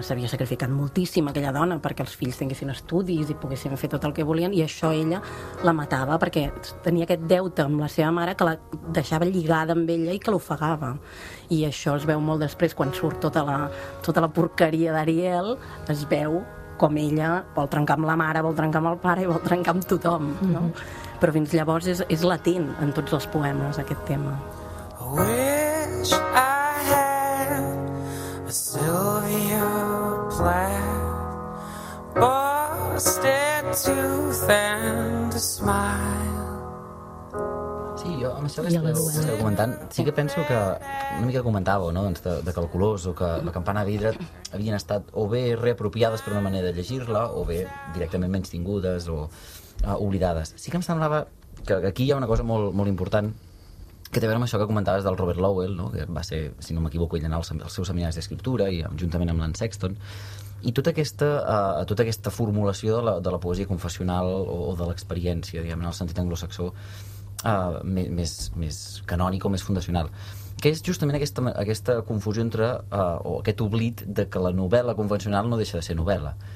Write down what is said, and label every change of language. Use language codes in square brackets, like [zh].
[ca] S'havia sacrificat moltíssim aquella dona perquè els fills tinguessin estudis i poguessin fer tot el que volien, i això ella la matava perquè tenia aquest deute amb la seva mare que la deixava lligada amb ella i que l'ofegava. I això es veu molt després, quan surt tota la porqueria d'Ariel, es veu com ella vol trencar amb la mare, vol trencar amb el pare i vol trencar amb tothom, no? Mm-hmm. Però fins llavors és latent en tots els poemes aquest tema. [en] I wish I had a Sylvia Plath, busted tooth and a smile. [ca] Sí, jo amb això que esteu comentant, sí que penso que, una mica comentàveu, no?, doncs de Calculós, o que la Campana de Vidre havien estat o bé reapropiades per una manera de llegir-la, o bé directament menystingudes o oblidades. Sí que em semblava que aquí hi ha una cosa molt, molt important, que té a veure amb això que comentaves del Robert Lowell, no?, que va ser, si no m'equivoco, ell anar als seus seminaris d'escriptura, i juntament amb l'Anne Sexton, i tota aquesta formulació de la poesia confessional o de l'experiència, diguem, en el sentit anglosaxó, més canònic o més fundacional, que és justament aquesta confusió entre, o aquest oblit de que la novel·la convencional no deixa de ser novel·la.